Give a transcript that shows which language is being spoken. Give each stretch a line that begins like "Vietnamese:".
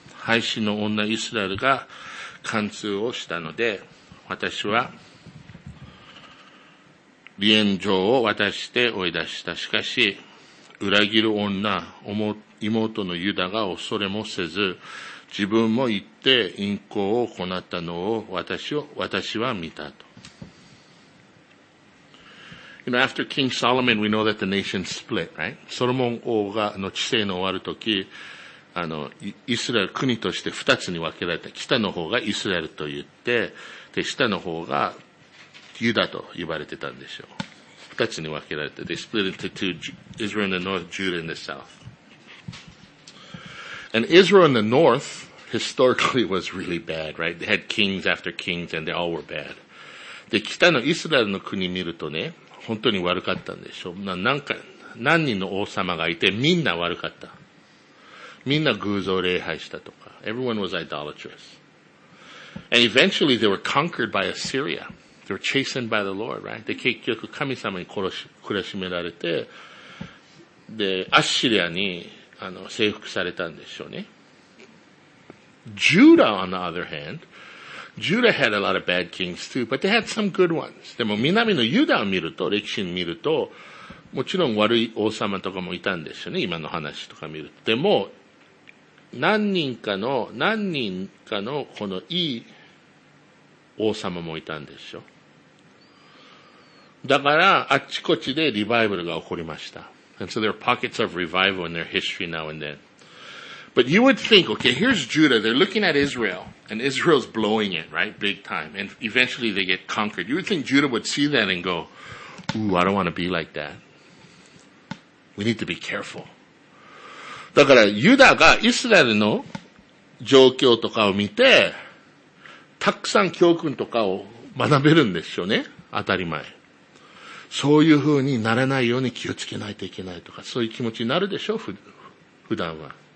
Japanese: 背信の女イスラエルが貫通をしたので、私は離縁状を渡して追い出した。しかし、裏切る女、妹のユダが恐れもせず、自分も行って淫行を行ったのを私は見たと。
English: You know, after King Solomon, we know that the nation split, right?
Japanese: ソロモン王がの治世の終わるとき、イスラエル国として二つに分けられた。北の方がイスラエルと言って、で、下の方がユダと呼ばれてたんでしょう。二つに分けられて、
English: they split into two, Israel in the north, Judah in the south. And Israel in the north, historically, was really bad, right? They had kings after kings, and they all were bad.
Japanese: で、北のイスラエルの国見るとね、本当に悪かったんでしょう。何人の王様がいて、みんな悪かった。みんな偶像礼拝したとか。
English: Everyone was idolatrous. And eventually they were conquered by Assyria. They were chastened by the Lord, right?
Japanese: で、結局神様に苦しめられて、で、アッシリアに、征服されたんでしょうね。
English: Judah, on the other hand,Judah had a lot of bad kings too, but they had some good ones.
Japanese: でも南のユダを見ると、歴史を見ると、もちろん悪い王様とかもいたんですよね、今の話とか見ると。でも、何人かのこのいい王様もいたんですよ。だから、あっちこっちでリバイバルが起こりました。
English: And so there are pockets of revival in their history now and then. But you would think, okay, here's Judah, they're looking at Israel, and Israel's blowing it, right, big time, and eventually they get conquered. You would think Judah would see that and go, ooh, I don't want to be like that. We need to be careful.
Japanese: だから、ユダがイスラエルの状況とかを見て、たくさん教訓とかを学べるんでしょうね。当たり前。そういう風にならないように気をつけないといけないとか、そういう気持ちになるでしょう、普段は。